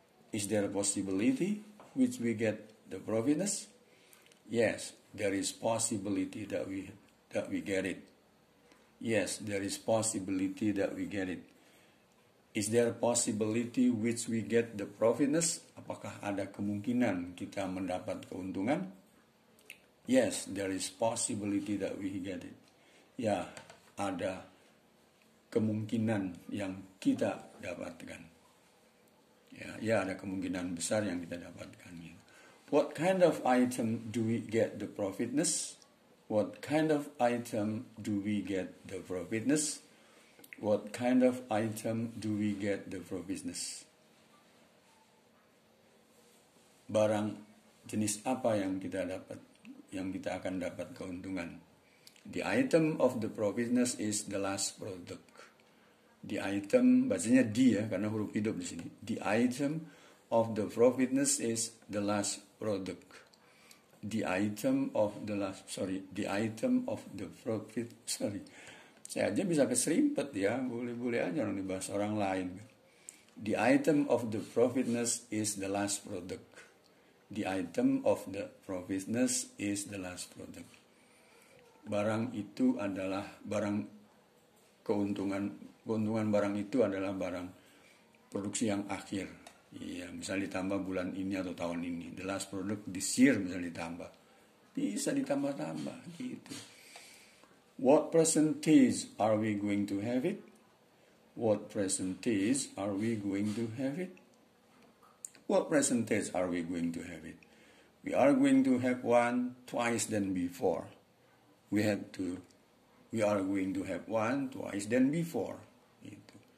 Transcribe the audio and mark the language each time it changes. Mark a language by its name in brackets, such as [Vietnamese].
[English] Is there possibility which we get the profitness? Yes, there is possibility that we get it. Yes, there is possibility that we get it. Is there possibility which we get the profitness? [Indonesian] Apakah ada kemungkinan kita mendapat keuntungan? [English] Yes, there is possibility that we get it. [Indonesian] Ya, ada kemungkinan yang kita dapatkan. Ya, ada kemungkinan besar yang kita dapatkan. [English] What kind of item do we get the profitness? What kind of item do we get the profitness? What kind of item do we get the profitness? [Indonesian] Barang jenis apa yang kita dapat? Yang kita akan dapat keuntungan. [English] The item of the profitness is the last product. The item, [Indonesian] bacanya di ya, karena huruf hidup di sini. [English] The item of the profitness is the last product. The item of the last, sorry, the item of the profit, sorry. [Indonesian] Saya aja bisa keserimpet ya, boleh-boleh aja orang dibahas orang lain. [English] The item of the profitness is the last product. The item of the profitness is the last product. [Indonesian] Barang itu adalah barang keuntungan. Keuntungan barang itu adalah barang produksi yang akhir. Iya, misalnya ditambah bulan ini atau tahun ini. [English] The last product this year [Indonesian] misalnya ditambah. Bisa ditambah-tambah gitu. [English] What percentage are we going to have it? What percentage are we going to have it? What percentage are we going to have it? We are going to have one twice than before. We are going to have one twice than before. Itu.